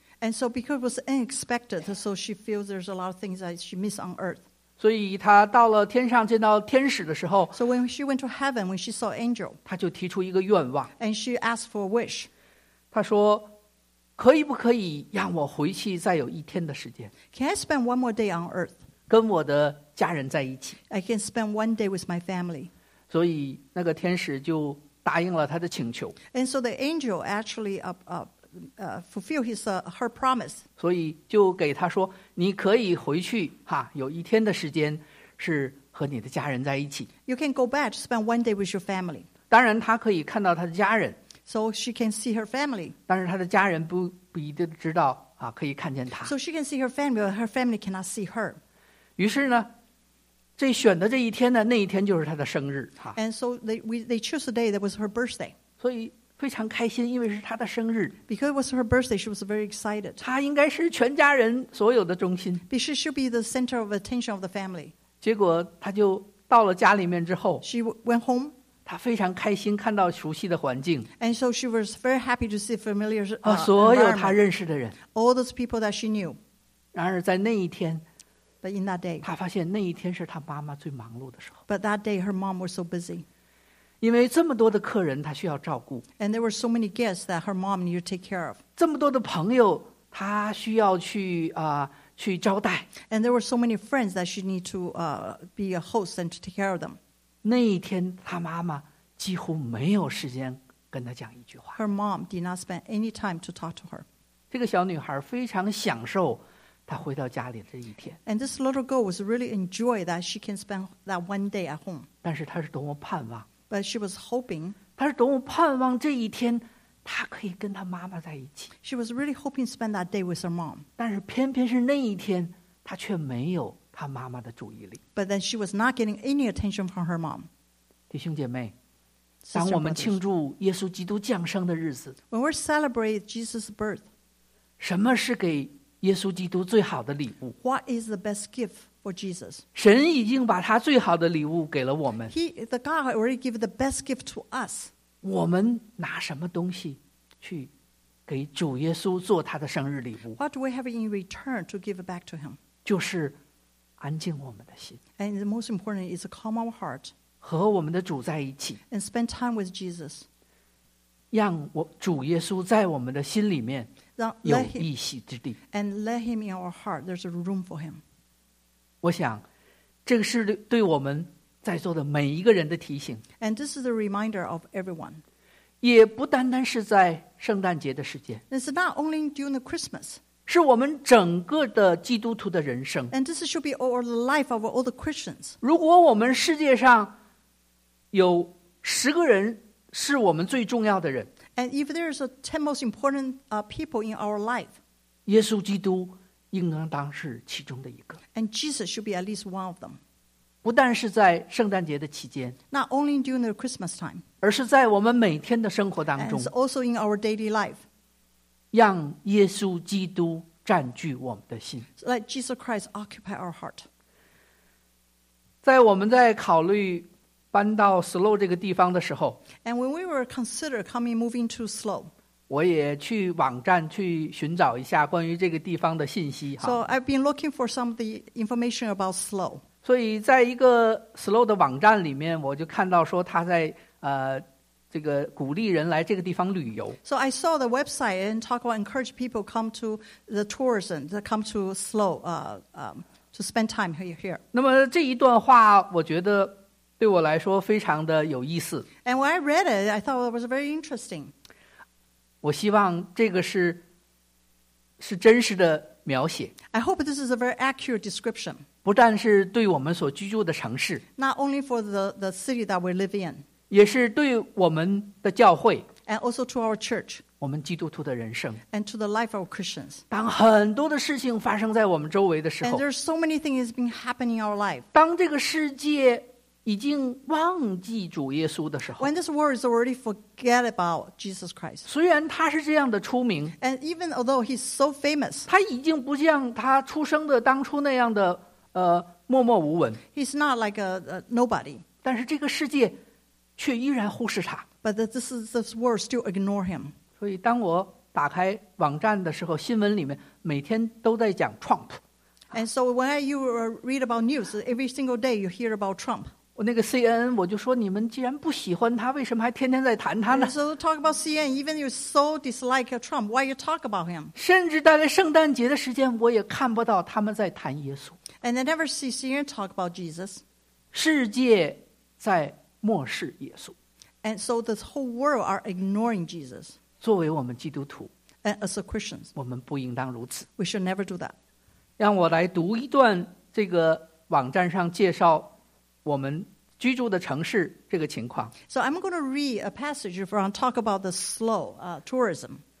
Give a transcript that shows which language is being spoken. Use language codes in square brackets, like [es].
[en] And so because it was unexpected so she feels there's a lot of things that she missed on earth [zh] 所以他到了天上见到天使的时候 [en] So when she went to heaven when she saw angel [zh] 他就提出一个愿望 [en] And she asked for a wish [zh] 他说可以不可以让我回去再有一天的时间 [en] Can I spend one more day on earth [zh] 跟我的家人在一起 [en] I can spend one day with my family [zh] 所以那个天使就答应了他的请求 [en] And so the angel actually fulfilled her promise [zh] 所以就给他说你可以回去哈，有一天的时间是和你的家人在一起 [en] You can go back spend one day with your family [zh] 当然他可以看到他的家人 [en] So she can see her family [zh] 但是他的家人 不一定知道啊，可以看见他 [en] So she can see her family but her family cannot see her [zh] 于是呢这选的这一天呢那一天就是他的生日 [en] And so they chose the day that was her birthday [zh] 所以非常开心因为是他的生日 [en] Because it was her birthday she was very excited [zh] 他应该是全家人所有的中心 [en] Because she should be the center of attention of the family [zh] 结果他就到了家里面之后 [en] She went home [zh] 他非常开心看到熟悉的环境 [en] And so she was very happy to see familiar environment [zh] 所有他认识的人 [en] All those people that she knew [zh] 然而在那一天 [en] But in that day, [zh] 他发现那一天是他妈妈最忙碌的时候。 [en] But that day, her mom was so busy. [zh] 因为这么多的客人，他需要照顾。 [en] And there were so many guests that her mom needed to take care of. [zh] 这么多的朋友，他需要去去招待。 [en] And there were so many friends that she needed to be a host and to take care of them. [zh] 那一天，他妈妈几乎没有时间跟他讲一句话。 [en] Her mom did not spend any time to talk to her. [zh] 这个小女孩非常享受。她回到家里这一天 [en] And this little girl was really enjoyed that she can spend that one day at home [zh] 但是她是多么盼望 [en] But she was hoping [zh] 她是多么盼望这一天她可以跟她妈妈在一起 [en] She was really hoping to spend that day with her mom [zh] 但是偏偏是那一天她却没有她妈妈的注意力 [en] But then she was not getting any attention from her mom [zh] 弟兄姐妹当我们庆祝耶稣基督降生的日子 [en] When we celebrate Jesus' birth [zh] 什么是给耶稣基督最好的礼物 [en] What is the best gift for Jesus? [zh] 神已经把他最好的礼物给了我们 [en] The God already gave the best gift to us [zh] 我们拿什么东西去给主耶稣做他的生日礼物。 [en] What do we have in return to give back to him? [zh] 就是安静我们的心。 [en] And the most important is to calm our heart. [zh] 和我们的主在一起。 [en] And spend time with Jesus. [zh] 让我主耶稣在我们的心里面有一席之地。 [en] And let him in our heart. There's a room for him. [zh] 我想，这个是对我们在座的每一个人的提醒。 [en] And this is a reminder of everyone. [zh] 也不单单是在圣诞节的时间。 [en] It's not only during the Christmas. [zh] 是我们整个的基督徒的人生。 [en] And this should be all the life of all the Christians. [zh] 如果我们世界上有十个人是我们最重要的人。 [en] And if there is a 10 most important people in our life. [zh] 耶稣基督应当当是其中的一个。 [en] And Jesus should be at least one of them. [zh] 不但是在圣诞节的期间 [en] Not only during the Christmas time, [zh] 而是在我们每天的生活当中 [en] And it's also in our daily life, [zh] 让耶稣基督占据我们的心 [en] Let Jesus Christ occupy our heart. [zh] 在我们在考虑搬到 SLO 这个地方的时候 [en] And when we were considering coming moving to SLO, [zh] 我也去网站去寻找一下关于这个地方的信息 [en] So I've been looking for some of the information about SLO. [zh] 所以在一个 SLO 的网站里面我就看到说他在这个鼓励人来这个地方旅游。 [en] So I saw the website and talk about encourage people come to the tourism, come to SLO, to spend time here. [zh] 那么这一段话我觉得对我来说非常的有意思。 [en] And when I read it, I thought it was very interesting. [zh] 我希望这个是真实的描写。 [en] I hope this is a very accurate description. [zh] 不但是对我们所居住的城市 [en] Not only for the city that we live in [zh] 也是对我们的教会 [en] And also to our church [zh] 我们基督徒的人生 [en] And to the life of Christians [zh] 当很多的事情发生在我们周围的时候 [en] And there are so many things that have been happening in our life [zh] 当这个世界已经忘记主耶稣的时候 [en] When this world is already forget about Jesus Christ [zh] 虽然他是这样的出名 [en] And even although he's so famous [zh] 他已经不像他出生的当初那样的默默无闻 [en] He's not like a nobody [zh] 但是这个世界却依然忽视他 [en] But this world still ignore him [zh] 所以当我打开网站的时候新闻里面每天都在讲 Trump [en] And so when you read about news every single day you hear about Trump [zh] 我那个 CNN 我就说你们既然不喜欢他为什么还天天在谈他呢 [en] So talk about CNN even you so dislike Trump why you talk about him [zh] 甚至在圣诞节的时间我也看不到他们在谈耶稣 [en] And they never see CNN talk about Jesus. [zh] 世界在漠视耶稣。 [en] And so this whole world are ignoring Jesus. [zh] 作为我们基督徒。 [en] And as a Christians. [zh] 我们不应当如此。 [en] We should never do that. [zh] 让我来读一段这个网站上介绍我们居住的城市这个情况。 [en] So I'm going to read a passage from talk about the slow tourism.